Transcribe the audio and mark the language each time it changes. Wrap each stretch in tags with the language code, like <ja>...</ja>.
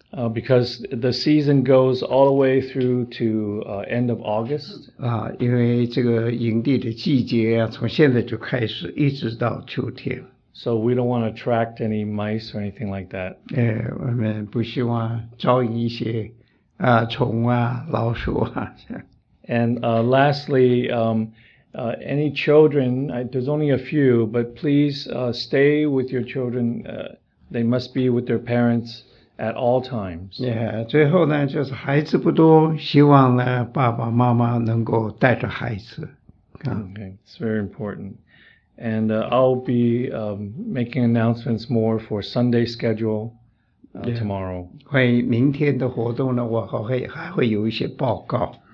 <en>Because the season goes all the way through to end of August.</en> <zh>因为这个营地的季节从现在就开始，一直到秋天。</zh> <en>So we don't want to attract any mice or anything like that.</en> <zh>我们不希望招引一些虫啊、老鼠啊。</zh> <en>And lastly, any children, there's only a few, but please stay with your children. They must be with their parents at all times.</en> <zh>Yeah, 最后呢就是孩子不多，希望呢爸爸妈妈能够带着孩子。</zh> <en>Okay, it's very important. And I'll be making announcements more for Sunday schedule tomorrow.</en> <zh>关于明天的活动呢，我还会有一些报告。</zh>